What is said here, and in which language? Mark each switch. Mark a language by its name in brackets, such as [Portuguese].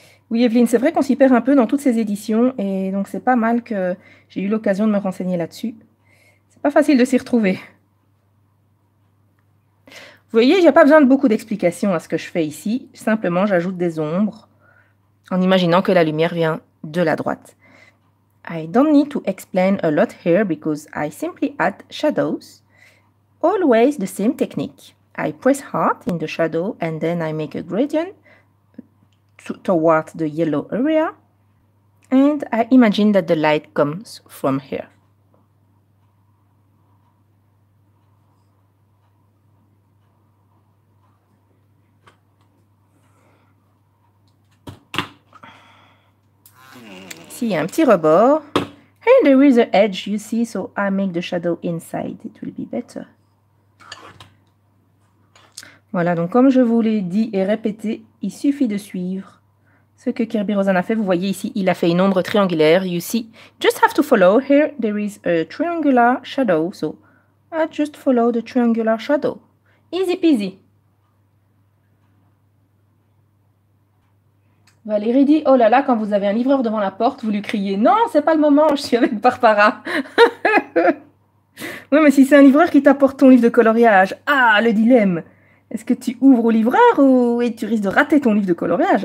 [French] Oui, Evelyne, c'est vrai qu'on s'y perd un peu dans toutes ces éditions. Et donc, c'est pas mal que j'ai eu l'occasion de me renseigner là-dessus. C'est pas facile de s'y retrouver. Vous voyez, il n'y a pas besoin de beaucoup d'explications à ce que je fais ici. Simplement, j'ajoute des ombres en imaginant que la lumière vient de la droite. [English] I don't need to explain a lot here because I simply add shadows. Always the same technique. I press hard in the shadow and then I make a gradient towards the yellow area. And I imagine that the light comes from here. [French] Ici, il y a un petit rebord. [English] And there is an edge, you see, so I make the shadow inside. It will be better. [French] Voilà, donc comme je vous l'ai dit et répété, il suffit de suivre ce que Kirby Rosen a fait. Vous voyez ici, il a fait une ombre triangulaire, [English] you see. Just have to follow. Here, there is a triangular shadow, so I just follow the triangular shadow. Easy peasy. [French] Valérie dit, oh là là, quand vous avez un livreur devant la porte, vous lui criez, non, c'est pas le moment, je suis avec Barbara. Oui, mais si c'est un livreur qui t'apporte ton livre de coloriage, ah, le dilemme. Est-ce que tu ouvres au livreur ou et tu risques de rater ton livre de coloriage?